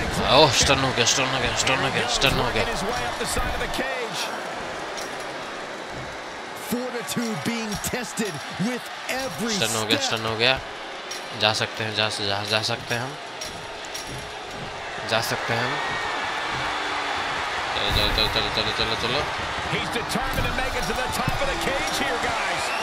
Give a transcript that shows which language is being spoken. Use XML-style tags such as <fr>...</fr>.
<hi>ओह stun हो गया, stun हो गया, स्टन हो गया, स्टन हो गया।</hi> <en>Fortitude being tested with every step.</en> <hi>Stun हो गया, स्टन हो गया। जा सकते हैं, जा सकते हैं हम। जा सकते हैं हम। चलो चलो चलो चलो चलो चलो।</hi> <en>He's determined to make it to the top of the cage here, guys.</en>